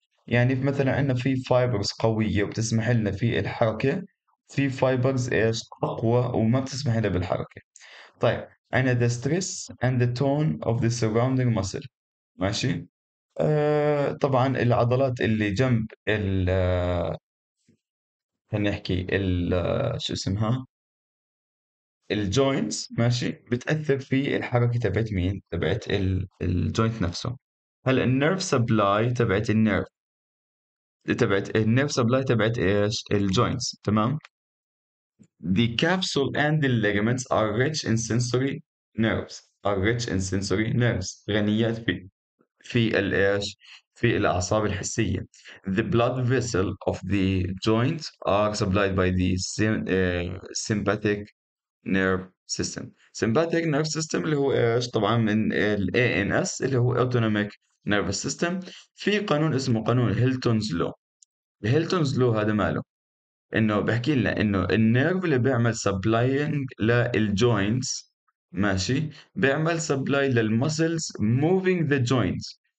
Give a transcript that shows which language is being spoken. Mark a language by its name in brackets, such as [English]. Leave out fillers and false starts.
[Arabic] يعني مثلا عندنا في فايبرز قوية وبتسمح لنا في الحركة، في فايبرز ايش أقوى وما بتسمح لنا بالحركة. [English] طيب عندنا the stress and the tone of the surrounding muscle. [Arabic] ماشي، طبعا العضلات اللي جنب ال خلينا نحكي ال شو اسمها الجوينتس ماشي بتأثر في الحركة تبعت مين؟ تبعت الجوينت نفسه. هلا النيرف سبلاي تبعت النيرف تبعت النيرف سبلاي تبعت ايش؟ الجوينتس. [English] تمام، the capsule and the ligaments are rich in sensory nerves are rich in sensory nerves [Arabic] غنيات في الايش؟ في الأعصاب الحسية. [English] The blood vessel of the joint are supplied by the sympathetic nerve system. sympathetic nerve system [Arabic] اللي هو ايش طبعا من ال ANS اللي هو [English] autonomic nervous system. [Arabic] في قانون اسمه قانون هيلتونز لو. هيلتونز لو هذا ماله؟ انه بحكي لنا انه النيرف اللي بيعمل supplying للجوينتس ماشي بيعمل supply للمسلز [English] moving the joints.